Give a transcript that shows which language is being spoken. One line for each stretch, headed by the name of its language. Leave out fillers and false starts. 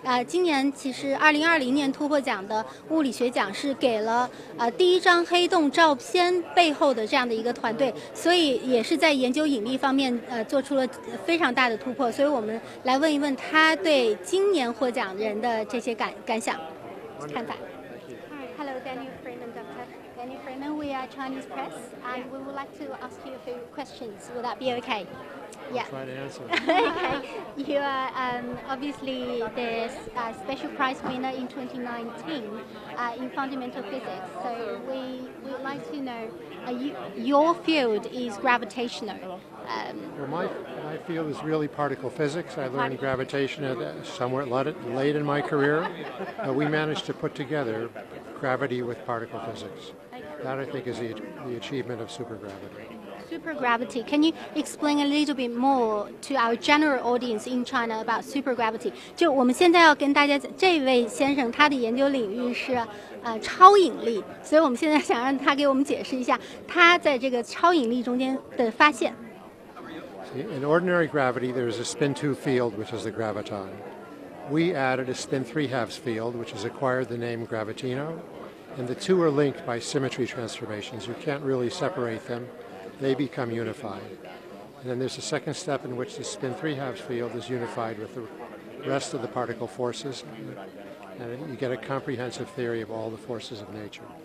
Chinese: 今年其实2020年突破奖的物理学奖是给了第一张黑洞照片背后的这样的一个团队，所以也是在研究引力方面做出了非常大的突破。所以我们来问一问他对今年获奖人的这些感想。
English: Hello, Daniel Freeman, Dr. Daniel Freeman, we are Chinese Press, and we would like to ask you a few questions. Would that be okay? Yeah. I'll try to answer. Okay. You are obviously the special prize winner in 2019 in fundamental physics. So we would like to know, your field is gravitational. Well, my field is really particle physics. I learned gravitation somewhat late in my career. We managed to put together gravity with particle physics. That, I think, is the achievement of supergravity. Supergravity. Can you explain a little bit more to our general audience in China about supergravity?
Chinese: 就我们现在要跟大家讲，这位先生他的研究领域是超引力，所以我们现在想让他给我们解释一下他在这个超引力中间的发现。
English: In ordinary gravity, there is a spin 2 field, which is the graviton. We added a spin 3/2 field, which has acquired the name gravitino, and the two are linked by symmetry transformations. You can't really separate them. They become unified. And then there's a second step in which the spin 3/2 field is unified with the rest of the particle forces, and you get a comprehensive theory of all the forces of nature.